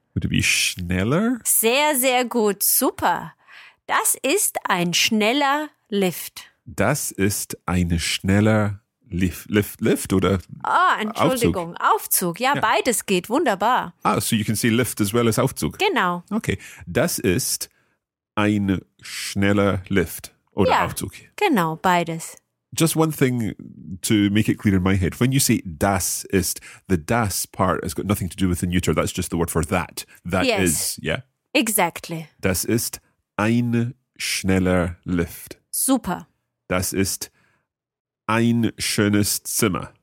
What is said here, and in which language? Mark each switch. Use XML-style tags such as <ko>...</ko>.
<en>Would it be schneller?</en> <de>Sehr, sehr gut. Super. Das ist ein schneller Lift. Das ist eine schneller Lift oder Entschuldigung, Aufzug. Ja, yeah. Beides geht wunderbar.</de> <en>Ah, so you can say Lift as well as Aufzug.</en> <de>Genau. Okay, das ist ein schneller Lift oder yeah. Aufzug. Genau, beides.</de> <en>Just one thing to make it clear in my head. When you say</en> <de>das ist,</de> <en>the das part has got nothing to do with the neuter. That's just the word for that. That yes. is, yeah? Exactly.</en> <de>Das ist ein schneller Lift. Super. Das ist ein schönes Zimmer.</de>